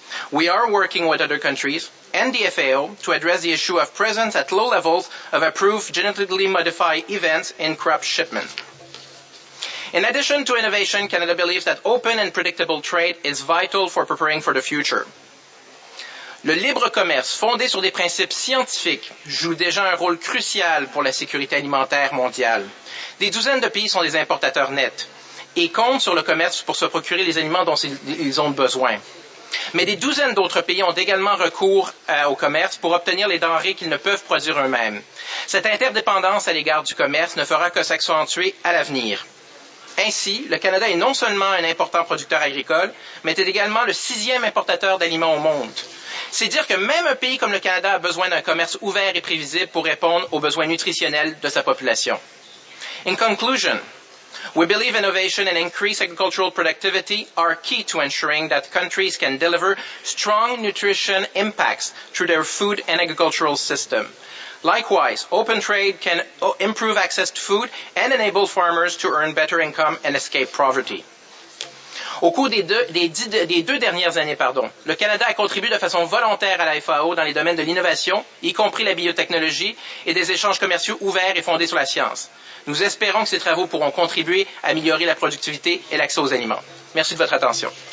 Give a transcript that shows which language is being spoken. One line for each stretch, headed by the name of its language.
English: We are working with other countries and the FAO to address the issue of presence at low levels of approved genetically modified events in crop shipment. In addition to innovation, Canada believes that open and predictable trade is vital for preparing for the future.
French: Le libre commerce, fondé sur des principes scientifiques, joue déjà un rôle crucial pour la sécurité alimentaire mondiale. Des douzaines de pays sont des importateurs nets et comptent sur le commerce pour se procurer les aliments dont ils ont besoin. Mais des douzaines d'autres pays ont également recours au commerce pour obtenir les denrées qu'ils ne peuvent produire eux-mêmes. Cette interdépendance à l'égard du commerce ne fera que s'accentuer à l'avenir. Ainsi, le Canada est non seulement un important producteur agricole, mais est également le sixième importateur d'aliments au monde. C'est dire que même un pays comme le Canada a besoin d'un commerce ouvert et prévisible pour répondre aux besoins nutritionnels de sa population.
English: In conclusion, we believe innovation and increased agricultural productivity are key to ensuring that countries can deliver strong nutrition impacts through their food and agricultural system. Likewise, open trade can improve access to food and enable farmers to earn better income and escape poverty.
French: Au cours des deux dernières années, pardon, le Canada a contribué de façon volontaire à la FAO dans les domaines de l'innovation, y compris la biotechnologie et des échanges commerciaux ouverts et fondés sur la science. Nous espérons que ces travaux pourront contribuer à améliorer la productivité et l'accès aux aliments. Merci de votre attention.